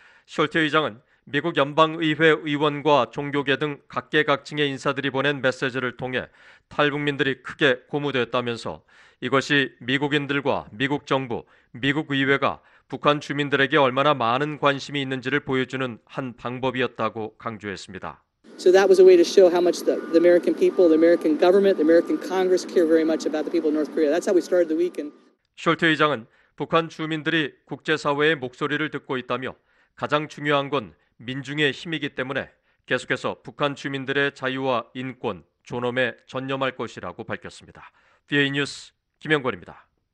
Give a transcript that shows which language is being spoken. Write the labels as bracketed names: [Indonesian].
[Korean] 숄트 의장은 미국 연방의회 의원과 종교계 등 각계각층의 인사들이 보낸 메시지를 통해 탈북민들이 크게 고무됐다면서 이것이 미국인들과 미국 정부, 미국 의회가 북한 주민들에게 얼마나 많은 관심이 있는지를 보여주는 한 방법이었다고 강조했습니다. [English] So that was a way to show how much the American people, the American government, the American Congress care very much about the people of North Korea. That's how we started the week. And [Korean] 숄트 의장은 북한 주민들이 국제사회의 목소리를 듣고 있다며 가장 중요한 건 민중의 힘이기 때문에 계속해서 북한 주민들의 자유와 인권, 존엄에 전념할 것이라고 밝혔습니다. VOA 뉴스 김영권입니다.